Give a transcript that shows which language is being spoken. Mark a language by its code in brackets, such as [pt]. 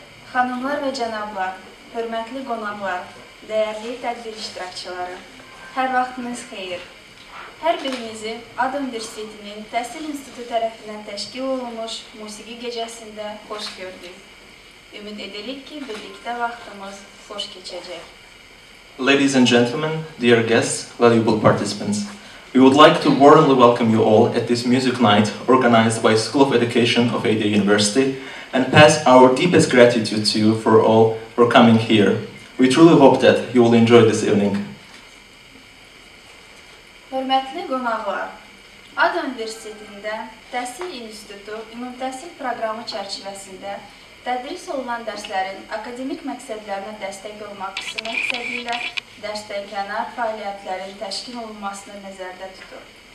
[az] Xanımlar və cənablar, hörmətli qonaqlar, dəyərli tədbir iştirakçıları, hər vaxtınız xeyir. Hər birinizi Ad Universitetinin Təhsil İnstitutu tərəfindən təşkil olunmuş musiqi gecəsində xoş gördük. Ümid edirik ki, birlikdə vaxtımız xoş keçəcək. [en] Ladies and gentlemen, dear guests, valuable participants, we would like to warmly welcome you all at this music night organized by School of Education of ADA University and pass our deepest gratitude to you for all for coming here. We truly hope that you will enjoy this evening. [az] Hörmətli qonaqlar, Ad Universitetində Təhsil İnstitutu Ümumtəhsil Proqramı çərçivəsində tədris olunan dərslərin akademik məqsədlərinə dəstək olmaq məqsədi ilə dərsdən kənar fəaliyyətlərin təşkil olunmasını nəzərdə tutur.